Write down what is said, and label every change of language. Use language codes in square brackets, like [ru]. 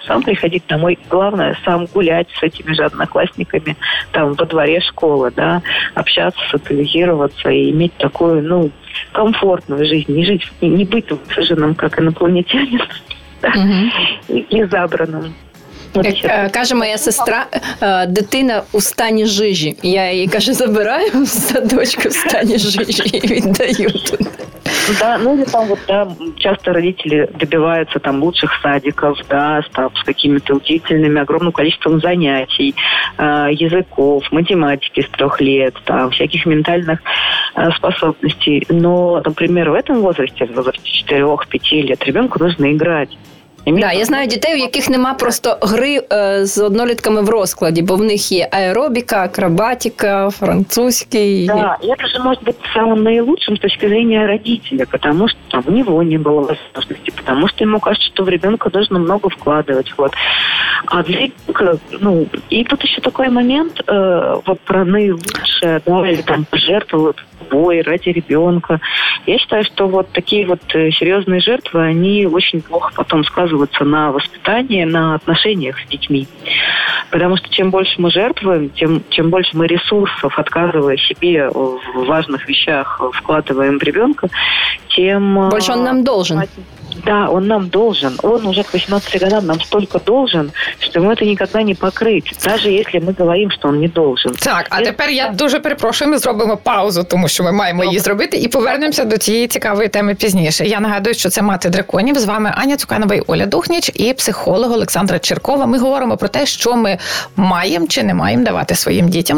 [ru] Сам приходить домой, главное, сам гулять с этими же одноклассниками там во дворе школы, да, общаться, социализироваться и иметь такую, ну, комфортную жизнь, не жить, не быть высаженным, как инопланетянин, и забранным. [uk] Як каже моя сестра, дитина у стані жижі. Я їй кажу, забираю садочку в стані жижі і віддаю тут. [ru] Да, ну или там вот, да, часто родители добиваются там лучших садиков, да, там, с какими-то удивительными огромным количеством занятий, языков, математики с 3 лет, там, всяких ментальных способностей. Но, например, в этом возрасте, в возрасте 4-5 лет, ребенку нужно играть. [uk] Да, я знаю дітей, у яких нема просто гри з однолітками в розкладі, бо в них є аеробіка, акробатика, французький. Так, да, це може бути самим найкращим з точки зрення родителя, тому що там у нього не було можливості, тому що йому кажуть, що в ребенка потрібно багато вкладати. Вот. А для ребенка, ну, і тут ще такий момент вот, про найкраще, ну, або там пожертвувати. [ru] Бой ради ребенка. Я считаю, что вот такие вот серьезные жертвы, они очень плохо потом сказываются на воспитании, на отношениях с детьми. Потому что чем больше мы жертвуем, тем больше мы ресурсов, отказывая себе в важных вещах, вкладываем в ребенка, тем... Больше он нам должен. Да, он нам должен. Он уже к 18 годам нам столько должен, что ему это никогда не покрыть, даже если мы говорим, что он не должен. [uk] Так, [ru] а теперь я [uk] дуже перепрошую, [ru] мы сделаем паузу, [uk] тому що ми маємо її зробити, і повернемося до цієї цікавої теми пізніше. Я нагадую, що це «Мати драконів». З вами Аня Цуканова і Оля Духніч, і психолог Олександра Черкова. Ми говоримо про те, що ми маємо чи не маємо давати своїм дітям.